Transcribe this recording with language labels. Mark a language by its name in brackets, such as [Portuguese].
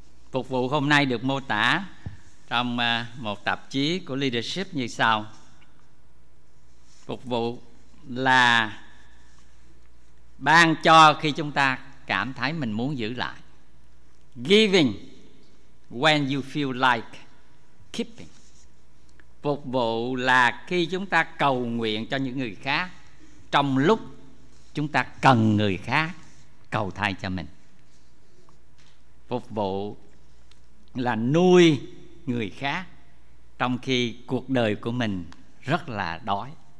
[Vietnamese] Phục vụ hôm nay được mô tả trong một tạp chí của Leadership như sau. Phục vụ là ban cho khi chúng ta cảm thấy mình muốn giữ lại. [English] Giving when you feel like keeping. [Vietnamese] Phục vụ là khi chúng ta cầu nguyện cho những người khác trong lúc chúng ta cần người khác cầu thay cho mình. Phục vụ là nuôi người khác trong khi cuộc đời của mình rất là đói.